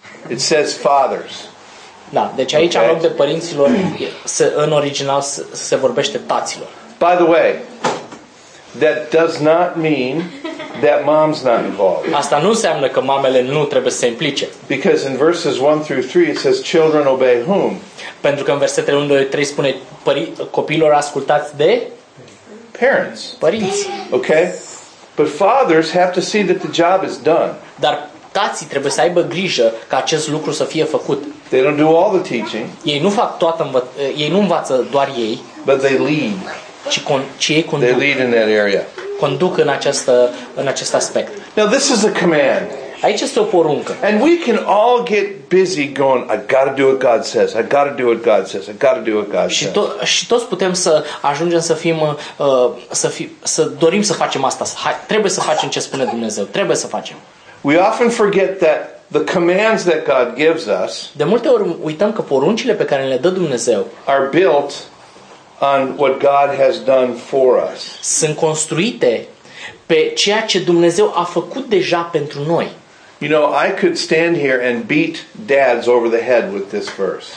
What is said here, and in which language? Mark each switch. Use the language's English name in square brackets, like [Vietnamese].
[English] It says fathers. [Romanian] Da, deci aici okay. În loc de părinților, în original se vorbește taților. [English] By the way, that does not mean that mom's not involved. [Romanian] Asta nu înseamnă că mamele nu trebuie să se implice. [English] Because in verses 1 through 3 it says children obey whom? [Romanian] Pentru că în versetele 1 2 3 spune copiilor ascultați de [English] parents. [Romanian] Părinți. [English] Okay? But fathers have to see that the job is done. [Romanian] Dar tații trebuie să aibă grijă ca acest lucru să fie făcut. [English] They don't do all the teaching. [Romanian] Ei nu fac toată ei nu învață doar ei. [English] But they lead. [Romanian] Ci ei conduc. [English] They lead in that area. [Romanian] Conduc în acest aspect. [English] Now this is a command. [Romanian] Aici este o poruncă. [English] And we can all get busy going, I got to do what God says. I got to do what God says. I got to do what God says. [Romanian] Și toți putem să ajungem să fim să dorim să facem asta. Trebuie să facem ce spune Dumnezeu. Trebuie să facem. [English] We often forget that the commands that God gives us. [Romanian] De multe ori uităm că poruncile pe care le dă Dumnezeu [English] are built on what God has done for us. [Romanian] Sunt construite pe ceea ce Dumnezeu a făcut deja pentru noi. [English] You know, I could stand here and beat dads over the head with this verse.